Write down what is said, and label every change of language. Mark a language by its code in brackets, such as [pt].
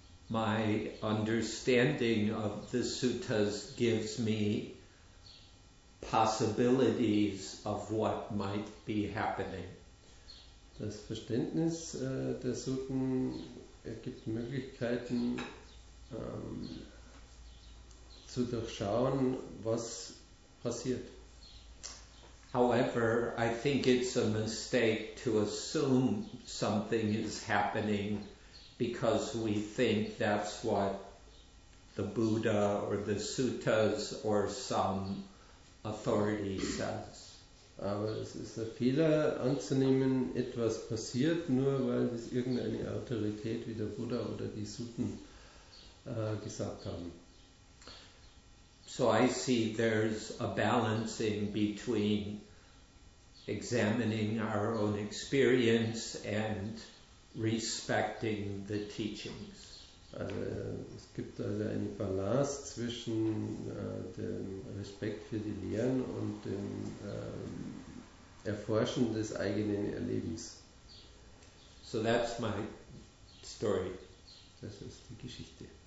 [en] My understanding of the suttas gives me possibilities of what might be happening. [de] Das Verständnis der Sutten ergibt Möglichkeiten zu durchschauen, was passiert. [en] However, I think it's a mistake to assume something is happening because we think that's what the Buddha or the Suttas or some authority says. [de] Aber es ist ein Fehler anzunehmen, etwas passiert, nur weil es irgendeine Autorität wie der Buddha oder die Sutten gesagt haben. [en] So I see there's a balancing between examining our own experience and respecting the teachings. [de] Also, es gibt also eine Balance zwischen dem Respekt für die Lehren und dem Erforschen des eigenen Erlebens. [en] So that's my story. [de] Das ist die Geschichte.